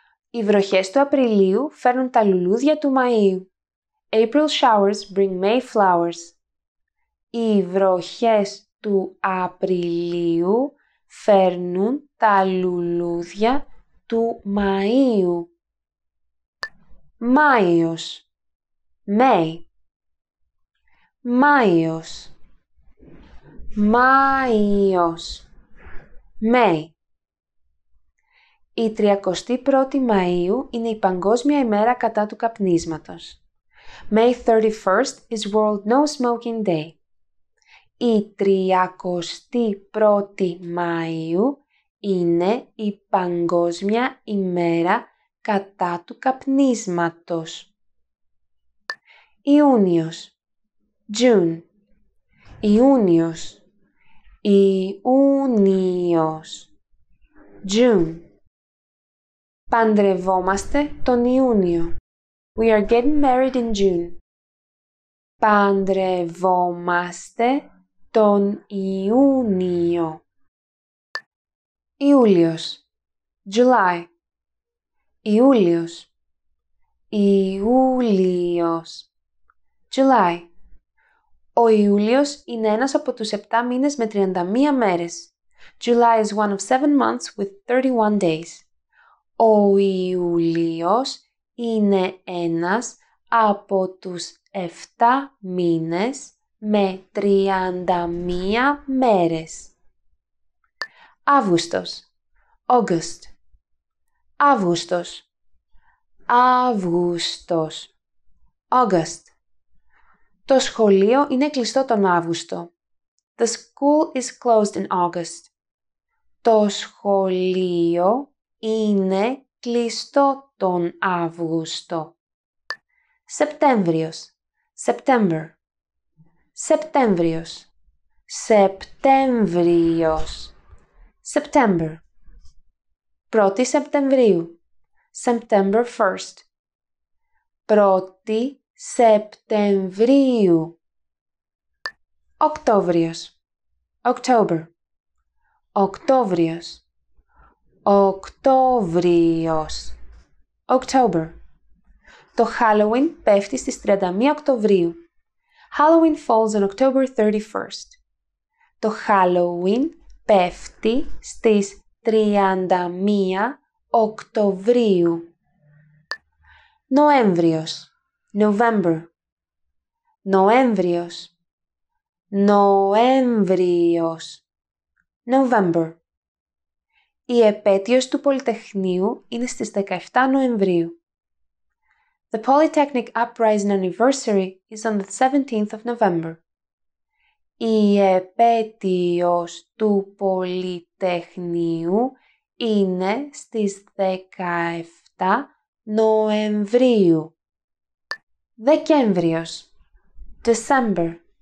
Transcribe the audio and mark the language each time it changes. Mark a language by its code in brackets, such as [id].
[el] Οι βροχές του Απριλίου φέρνουν τα λουλούδια του Μαΐου. [en] April showers bring May flowers. [el] Οι βροχές του Απριλίου φέρνουν τα λουλούδια του Μαΐου. Μάιος. [en] May. [el] Μάιος. Μάιος. [en] May. [el] Η 31η Μαΐου είναι η Παγκόσμια ημέρα κατά του καπνίσματος. [en] May 31st is World No Smoking Day. [el] Η 31η Μαΐου είναι η Παγκόσμια ημέρα κατά του καπνίσματος. Ιούνιος. [en] June. [el] Ιούνιος. Ιούνιος. [en] June. [el] Παντρευόμαστε τον Ιούνιο. [en] We are getting married in June. [el] Παντρευόμαστε τον Ιούνιο. Ιούλιος. [en] July. [el] Ιούλιος. Ιούλιος. [en] July. [el] Ο Ιούλιος είναι ένας από τους 7 μήνες με 31 μέρες. [en] July is one of 7 months with 31 days. [el] Ο Ιούλιος είναι ένας από τους 7 μήνες με 31 μέρες. Αύγουστος. [en] August. [el] Αύγουστος. Αύγουστος. [en] August. [el] Το σχολείο είναι κλειστό τον Αύγουστο. [en] The school is closed in August. [el] Το σχολείο είναι κλειστό τον Αύγουστο. Σεπτέμβριος. [en] September. [el] Σεπτέμβριος. Σεπτέμβριος. [en] September. [el] 1η Σεπτεμβρίου. [en] September 1st. [el] 1η Σεπτεμβρίου. Οκτώβριος. October. Οκτώβριος. Οκτώβριος. October. Το Halloween πέφτει στις 31 Οκτωβρίου. [en] Halloween falls on October 31st. [el] Το Halloween πέφτει στις 31 Οκτωβρίου. Νοέμβριος. [en] November. [el] Νοέμβριος. Νοέμβριος. [en] November. [el] Η επέτειος του Πολυτεχνείου είναι στις 17 Νοεμβρίου. [en] The Polytechnic Uprising Anniversary is on the 17th of November. [el] Η επέτειος του Πολυτεχνείου είναι στις 17 Νοεμβρίου. Δεκέμβριος. [en] December.